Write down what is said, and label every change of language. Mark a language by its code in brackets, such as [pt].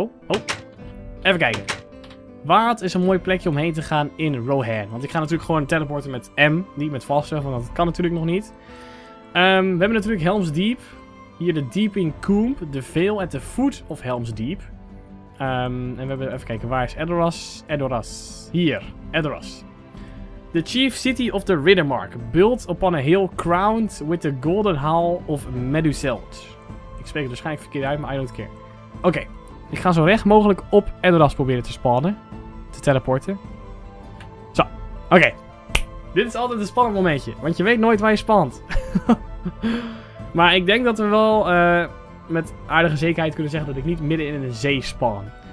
[nl] Oh, even kijken. Wat is een mooi plekje om heen te gaan in Rohan? Want ik ga natuurlijk gewoon teleporten met M, niet met Foster, want dat kan natuurlijk nog niet. We hebben natuurlijk Helm's Deep. Hier de Deep in Coomb, de Veil at the Foot of Helm's Deep. En we hebben, even kijken, waar is Edoras? Edoras, hier, Edoras. [en] The Chief City of the Riddermark, built upon a hill crowned with the Golden Hall of Meduselt. [nl] Ik spreek het waarschijnlijk verkeerd uit, maar [en] I don't care. [nl] Oké. Ik ga zo recht mogelijk op Edoras proberen te spawnen. Te teleporten. Zo. Oké. Dit is altijd een spannend momentje. Want je weet nooit waar je spant. Maar ik denk dat we wel met aardige zekerheid kunnen zeggen dat ik niet midden in een zee spawn.